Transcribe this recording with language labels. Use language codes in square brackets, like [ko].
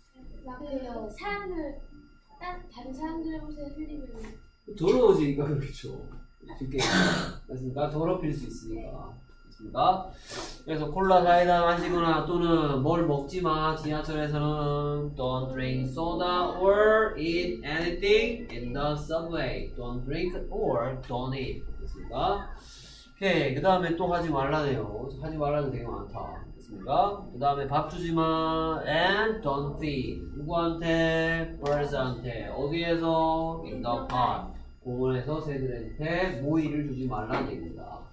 [ko] 그 사람을 다른 사람들 옷에 흘리면 더러워지니까 그렇죠. 쉽게 됐습니까? 더럽힐 수 있으니까. 네. 그래서 콜라 사이다 마시거나 또는 뭘 먹지 마 지하철에서는. [en] Don't drink soda or eat anything in the subway. Don't drink or don't eat. [ko] 됐습니까? 오케이. 그 다음에 또 하지 말라네요. 하지 말라는 되게 많다. 됐습니까? 그 다음에 밥 주지 마. [en] And don't feed. [ko] 누구한테? [en] Birds한테. [ko] 어디에서? [en] In the park. [ko] 공원에서 새들한테 모이를 주지 말라는 얘기입니다.